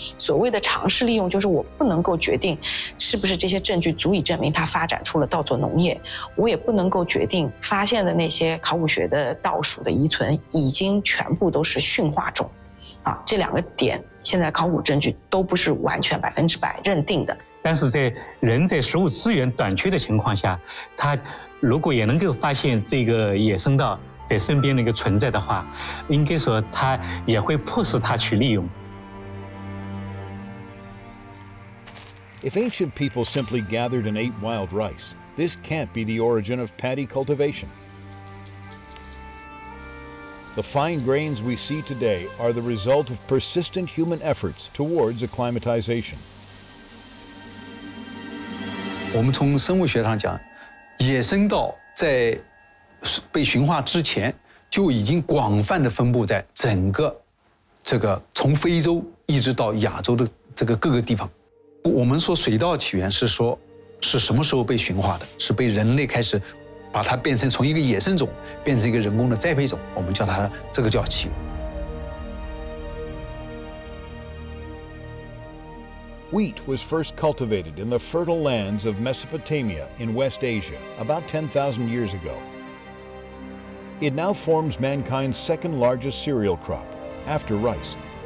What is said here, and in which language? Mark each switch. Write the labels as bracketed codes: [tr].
[zh] 所谓的尝试利用，就是我不能够决定是不是这些证据足以证明它发展出了稻作农业，我也不能够决定发现的那些考古学的稻黍的遗存已经全部都是驯化种啊，这两个点现在考古证据都不是完全百分之百认定的。但是在人在食物资源短缺的情况下，他如果也能够发现这个野生稻在身边的一个存在的话，应该说他也会迫使他去利用。 [en] If ancient people simply gathered and ate wild rice, this can't be the origin of paddy cultivation. The fine grains we see today are the result of persistent human efforts towards acclimatization. [zh] 我们从生物学上讲，野生稻在被驯化之前就已经广泛地分布在整个这个从非洲一直到亚洲的这个各个地方。我们说水稻起源是说是什么时候被驯化的，是被人类开始把它变成从一个野生种变成一个人工的栽培种，我们叫它这个叫起源。 [en] Wheat was first cultivated in the fertile lands of Mesopotamia in West Asia about 10,000 years ago. It now forms mankind's second largest cereal crop, after rice.